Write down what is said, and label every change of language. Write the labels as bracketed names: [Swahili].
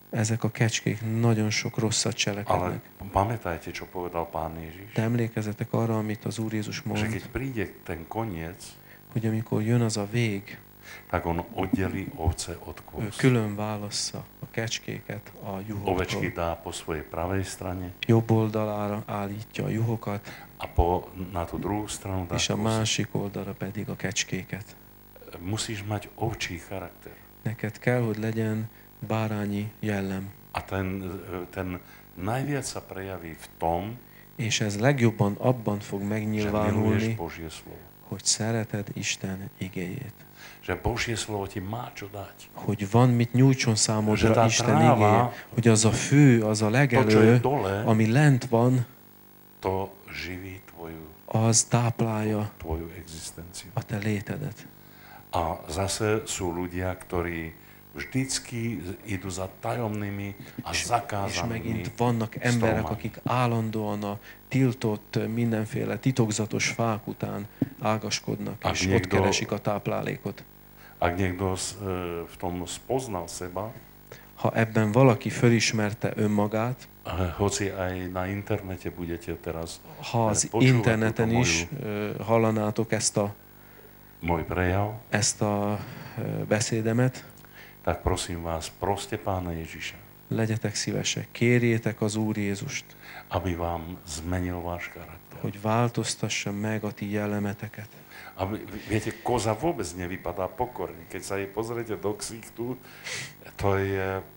[Hungarian] Ezek a kecskék nagyon sok rosszat cselekednek. [Slovak] Ale pamätajte, čo povedal Pán Ježiš. [Hungarian] De emlékezzetek arra, amit az Úr Jézus mond. [Slovak] Že keď príde ten koniec, [Hungarian] hogy amikor jön az a vég, [Slovak] tak on oddeli ovce od kóz. [Hungarian] Külön válassza a kecskéket a juhoktól. [Slovak] Ovečky dá po svojej pravej strane. [Hungarian] Jobb oldalára állítja a juhokat. [Slovak] A po, na tú druhú stranu dá [Hungarian] És a másik oldalra pedig a kecskéket. [Slovak] Musíš mať ovčí charakter. [Hungarian] Neked kell, hogy legyen bárányi jellem. [Slovak] A ten najviac sa prejaví v tom, [Hungarian] és ez legjobban abban fog megnyilvánulni, hogy szereted Isten igéjét. [Slovak] Že Božie slovo ti má čo dať. [Hungarian] Hogy van mit nyújtson számodra Isten igéje, hogy az a fű, az a legelő, [Slovak] to, dole, [Hungarian] ami lent van, [Slovak] to živí tvoju, [Hungarian] az táplálja [Slovak] tvoju existenciu, [Hungarian] a te létedet. [Slovak] A zase sú ľudia, ktorí vždycky idú za tajomnými a zakázanými. [Hungarian] És megint vannak emberek, akik állandóan a tiltott mindenféle titokzatos fák után ágaskodnak, ak és [Slovak] niekto, [Hungarian] ott keresik a táplálékot. [Slovak] Ak niekto v tom spoznal seba, [Hungarian] ha ebben valaki felismerte önmagát, [Slovak] hoci aj na internete budete teraz, [Hungarian] ha az interneten is hallanátok ezt a [Slovak] môj prejav, [Hungarian] ezt a beszédemet, [Slovak] tak prosím vás, proste Pána Ježiša. [Hungarian] Legyetek szívesek, kérjétek az Úr Jézust, [Slovak] aby vám zmenil váš charakter. [Hungarian] Hogy változtassa meg a ti jellemeteket. [Slovak] Aby, viete, koza vôbec nevypadá pokorne. Keď sa jej pozriete do ksichtu, to je...